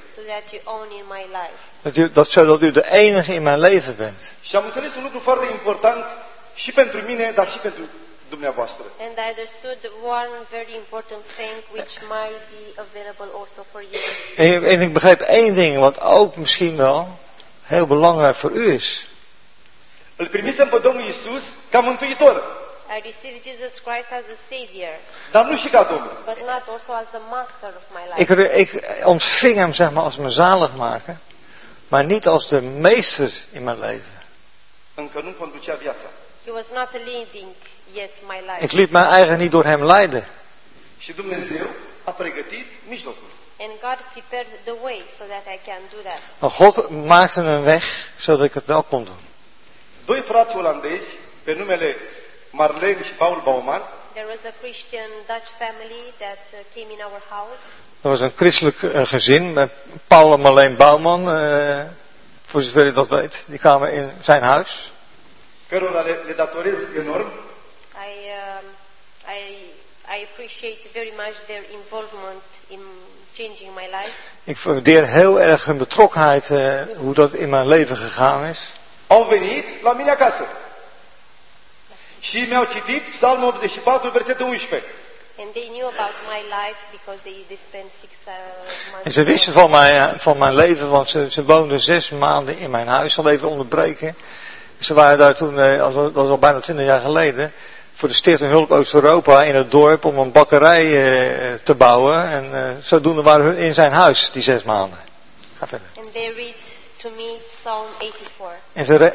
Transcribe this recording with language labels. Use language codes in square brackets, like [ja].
[en] So that you own in my life. [nl] Dat u de enige in mijn leven bent. [ro] Și am înțeles un lucru foarte important și pentru mine, dar și pentru dumneavoastră. [en] And I understood one very important thing which might be available also for you. [nl] En ik begrijp één ding wat ook misschien wel heel belangrijk voor u is. [ro] Îl primisem pe Domnul Iisus ca Mântuitor. [en] I received Jesus Christ as a savior. [ro] Dar nu și ca Domn. [en] But not also as the master of my life. [nl] Ik ontving hem zeg maar als mijn zaligmaker, maar niet als de meester in mijn leven. [ro] Încă nu conducea viața. [en] He was not leading yet my life. [nl] Ik liet mijn eigen niet door hem leiden. [ro] Și Dumnezeu a pregătit mijlocul. [en] And God prepared the way so that I can do that. [nl] Maar God maakte een weg zodat ik het wel kon doen. [ro] Doi frați olandezi pe numele Marlene și Paul Bauman. [en] There was a Christian Dutch family that came in our house. [nl] Er was een christelijk gezin met Paul en Marlene Bauman, voor zover je dat weet. Die kwamen in zijn huis. [ro] Cărora le datorez enorm. [en] I appreciate very much their involvement in changing my life. [nl] Ik waardeer heel erg hun betrokkenheid, hoe dat in mijn leven gegaan is. [ro] Au venit la mine acasă. Și mi-au citit Psalmul 84, versetul 11. [en] And they knew about my life because they spent 6 months. [nl] En ze wisten van mijn leven, want ze woonden 6 maanden in mijn huis. Zal even onderbreken. Ze waren daar toen, dat was al bijna 20 jaar geleden, voor de Stichting Hulp Oost-Europa in het dorp om een bakkerij te bouwen. En zodoende waren hun in zijn huis die 6 maanden. Ga verder. [en] And they read to me Psalm 84.